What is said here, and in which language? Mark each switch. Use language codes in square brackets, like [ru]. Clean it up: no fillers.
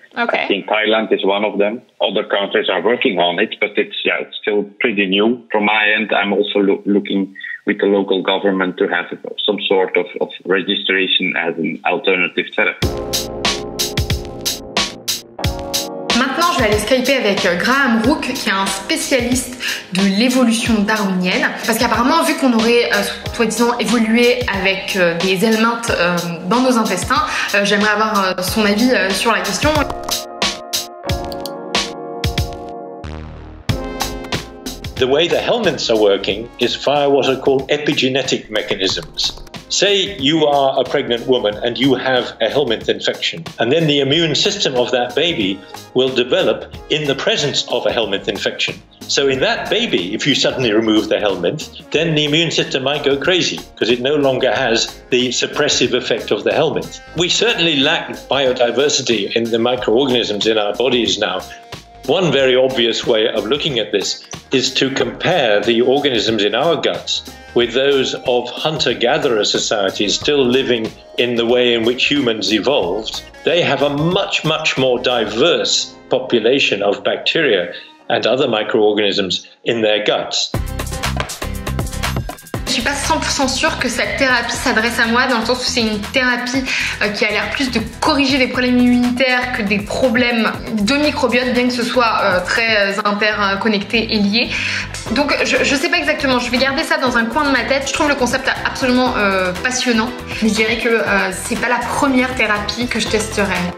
[en] Okay. I think Thailand is one of them. Other countries are working on it, but it's still pretty new. From my end, I'm also looking with the local government to have some sort of registration as an alternative therapy. [fr] Maintenant, je vais aller skyper avec Graham Rooke, qui est un spécialiste de l'évolution darwinienne. Parce qu'apparemment, vu qu'on aurait soi-disant évolué avec des helmintes dans nos intestins, j'aimerais avoir son avis sur la question. [en] The way the helminths are working is via what are called epigenetic mechanisms. Say you are a pregnant woman and you have a helminth infection, and then the immune system of that baby will develop in the presence of a helminth infection. So in that baby, if you suddenly remove the helminth, then the immune system might go crazy because it no longer has the suppressive effect of the helminth. We certainly lack biodiversity in the microorganisms in our bodies now. One very obvious way of looking at this is to compare the organisms in our guts with those of hunter-gatherer societies still living in the way in which humans evolved. They have a much, much more diverse population of bacteria and other microorganisms in their guts. [fr] Je suis pas 100% sûre que cette thérapie s'adresse à moi, dans le sens où c'est une thérapie qui a l'air plus de corriger des problèmes immunitaires que des problèmes de microbiote, bien que ce soit très interconnecté et lié. Donc je sais pas exactement, je vais garder ça dans un coin de ma tête. Je trouve le concept absolument passionnant, mais je dirais que c'est pas la première thérapie que je testerai.